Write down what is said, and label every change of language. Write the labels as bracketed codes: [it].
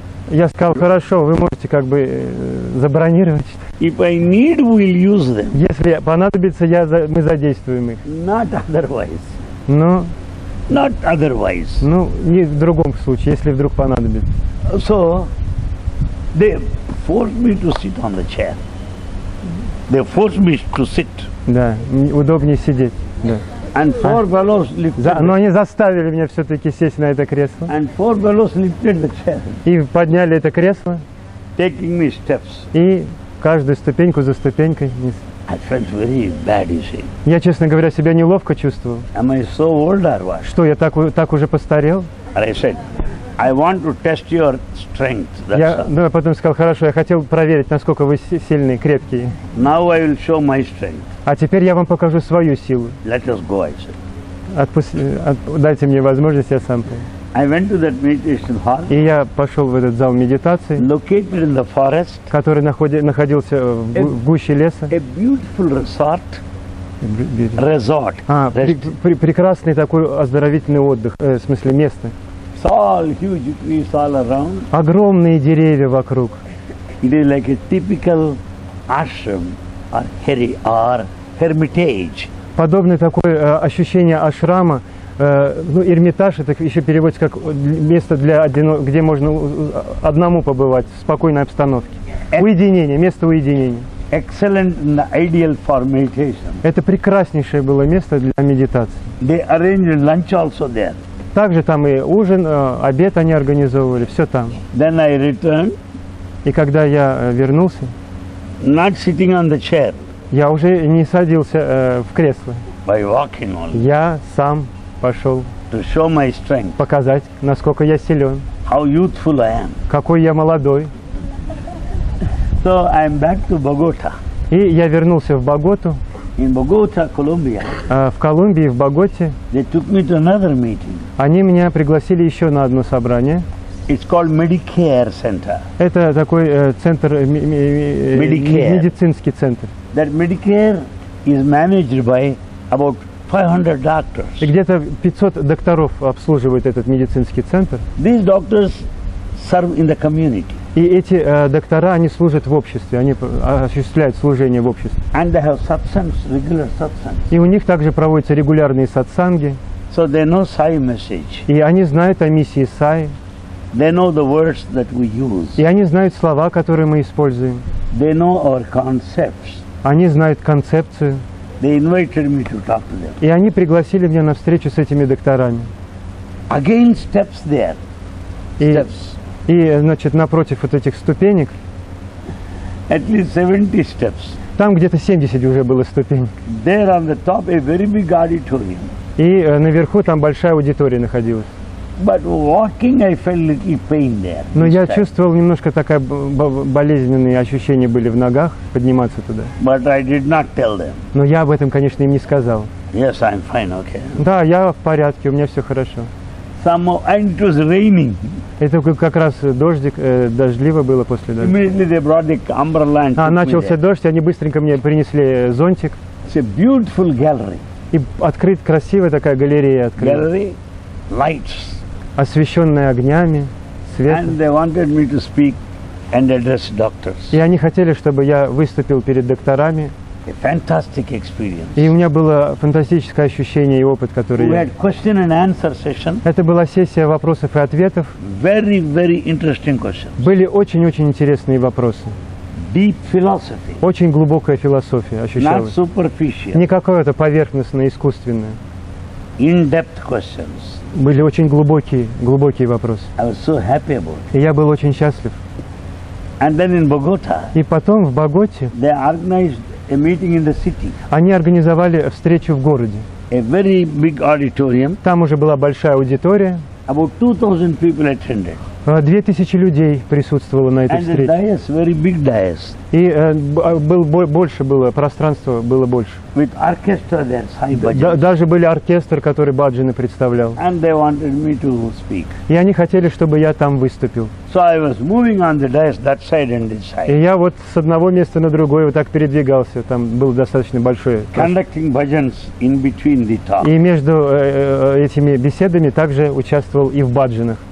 [ru] Я сказал, хорошо, вы можете как бы забронировать. [en] If I need, we'll use them. [ru] Если понадобится, мы задействуем их. [en] Not otherwise. [ru] Но. [en] Not otherwise. [ru] Ну, не в другом случае, если вдруг понадобится. [en] So, they forced me to sit on the chair. They forced me to sit. [ru] Да, удобнее сидеть. Да. [en] And four fellows lifted. [ru] Но они заставили меня все-таки сесть на это кресло. [en] And four fellows lifted the chair. [ru] И подняли это кресло. [en] Taking me steps. [ru] И каждую ступеньку за ступенькой вниз. [en] I felt very bad, you see. [ru] Я, честно говоря, себя неловко чувствовал. [en] Am I so old or what? [ru] Что, я так уже постарел? [en] I said, I want to test your strength. That's [ru] Ну, я потом сказал, хорошо, я хотел проверить, насколько вы сильные, крепкие. [en] Now I will show my strength. [ru] А теперь я вам покажу свою силу. [en] Let us go, I said. [ru] Дайте мне возможность, я сам. [en] I went to that meditation hall. [ru] И я пошел в этот зал медитации. [en] Located in the forest. [ru] Который находился в гуще леса. [en] A beautiful resort. Resort. [ru] Прекрасный такой оздоровительный отдых, в смысле место. [en] All huge trees all around. [ru] Огромные деревья вокруг. [en] It is like a typical ashram. Or hermitage. [ru] Подобное такое ощущение ашрама, эрмитаж, это еще переводится как место для где можно одному побывать в спокойной обстановке. Уединение, место уединения. [en] Excellent and ideal for meditation. [ru] Это прекраснейшее было место для медитации. [en] They arranged lunch also there. [ru] Также там и ужин, обед они организовывали, все там. [en] Then I returned. [ru] И когда я вернулся. [en] Not sitting on the chair. [ru] Я уже не садился в кресло. [en] By walking on. [ru] Я сам пошел. [en] To show my strength. [ru] Показать, насколько я силен. [en] How youthful I am. [ru] Какой я молодой. [en] So I'm back to Bogota. [ru] И я вернулся в Боготу. [en] In Bogota, Colombia. [ru] В Колумбии, в Боготе. [en] They took me to another meeting. [ru] Они меня пригласили еще на одно собрание. [en] It's called Medicare Center. [ru] Это такой центр медицинский центр. [en] That Medicare is managed by about 500 doctors. [ru] И где-то 500 докторов обслуживают этот медицинский центр. [en] These doctors serve in the community. [ru] И эти доктора, они служат в обществе, они осуществляют служение в обществе. [en] And they have satsangs, regular satsangs. [ru] И у них также проводятся регулярные сатсанги. [en] So they know Sai message. [ru] И они знают о миссии Сай. [en] They know the words that we use. [ru] И они знают слова, которые мы используем. [en] They know our concepts. [ru] Они знают концепцию. [en] They invited me to talk to them. [ru] И они пригласили меня на встречу с этими докторами. [en] Again steps there. Steps. [ru] И значит, напротив вот этих ступенек. [en] At least 70 steps. [ru] Там где-то 70 уже было ступенек. [en] There on the top a very big auditorium. [ru] И наверху там большая аудитория находилась. [en] But walking, I felt a little pain there. [ru] Но я чувствовал немножко такая болезненные ощущения были в ногах подниматься туда. [en] But I did not tell them. [ru] Но я об этом, конечно, им не сказал. [en] Yes, I'm fine, okay. [ru] Да, я в порядке, у меня все хорошо. [en] Some, and it was raining. [ru] Это как раз дождик, дождливо было после дождя. [en] Immediately they brought the umbrella and took me. [ru] Начался дождь, они быстренько мне принесли зонтик. [en] It's a beautiful gallery. [ru] И открыт красивая такая галерея открыта. [en] Gallery, lights. [ru] Освещенные огнями, светом. [en] And they wanted me to speak and address doctors. [ru] И они хотели, чтобы я выступил перед докторами. [en] A fantastic experience. [ru] И у меня было фантастическое ощущение и опыт, который [en] We had question and answer session. [ru] Это была сессия вопросов и ответов. [en] Very, very interesting questions. [ru] Были очень-очень интересные вопросы. [en] Deep philosophy. [ru] Очень глубокая философия ощущалась. [en] Not superficial. [ru] Не какое-то поверхностное, искусственное. [en] In-depth questions. [ru] Были очень глубокие вопросы. [en] I was so happy about it. [ru] И я был очень счастлив. [en] And then in Bogota. [ru] И потом в Боготе. [en] They organized a meeting in the city. [ru] Они организовали встречу в городе. [en] A very big auditorium. [ru] Там уже была большая аудитория. [en] About 2,000 people attended. [ru] 2,000 людей присутствовало на этой встрече. [en] And the dais, very big dais. [ru] И было больше пространство. [en] With orchestra there, Sai Bhajan. [ru] Даже были оркестр, который Баджаны представлял. [en] And they wanted me to speak. [ru] И они хотели, чтобы я там выступил. [en] So I was moving on the dais that side and this side. [ru] И я вот с одного места на другое вот так передвигался. Там было достаточно большое. [en] Conducting bhajans in between the talk. [ru] И между этими беседами также участвовал и в баджанах.